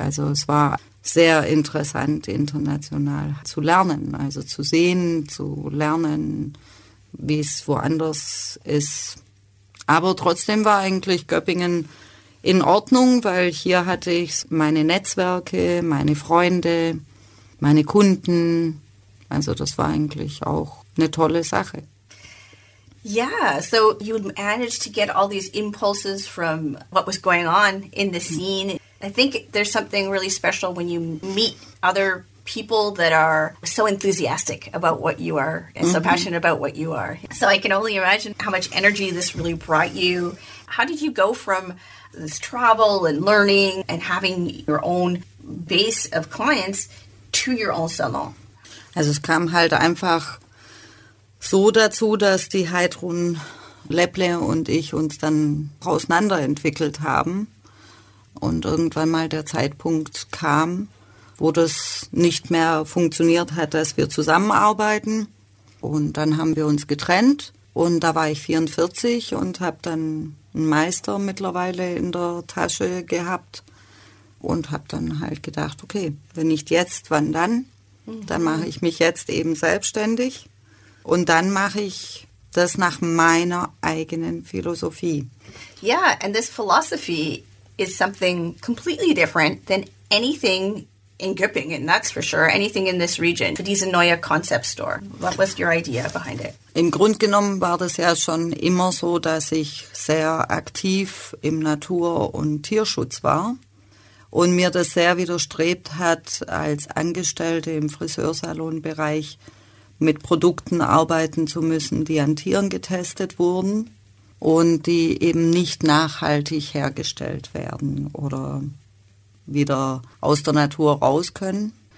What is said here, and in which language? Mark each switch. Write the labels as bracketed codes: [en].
[de] Also es war sehr interessant, international zu lernen, also zu sehen, zu lernen, wie es woanders ist. Aber trotzdem war eigentlich Göppingen in Ordnung, weil hier hatte ich meine Netzwerke, meine Freunde, meine Kunden. Also das war eigentlich auch eine tolle Sache. [en] Yeah, so you managed to get all these impulses from what was going on in the scene. I think there's something really special when you meet other people that are so enthusiastic about what you are and so passionate about what you are. So I can only imagine how much energy this really brought you. How did you go from this travel and learning and having your own base of clients to your own salon? [de] Also es kam halt einfach so dazu, dass die Heidrun Lepple und ich uns dann auseinanderentwickelt haben und irgendwann mal der Zeitpunkt kam, wo das nicht mehr funktioniert hat, dass wir zusammenarbeiten. Und dann haben wir uns getrennt. Und da war ich 44 und habe dann einen Meister mittlerweile in der Tasche gehabt. Und habe dann halt gedacht, okay, wenn nicht jetzt, wann dann? Dann mache ich mich jetzt eben selbstständig. Und dann mache ich das nach meiner eigenen Philosophie. [en] Yeah, and this philosophy is something completely different than anything in Göppingen, that's for sure. Anything in this region, for [de] diese neue [en] concept store. What was your idea behind it? [de] Im Grunde genommen war das ja schon immer so, dass ich sehr aktiv im Natur- und Tierschutz war und mir das sehr widerstrebt hat, als Angestellte im Friseursalonbereich mit Produkten arbeiten zu müssen, die an Tieren getestet wurden und die eben nicht nachhaltig hergestellt werden oder wieder aus der Natur raus können.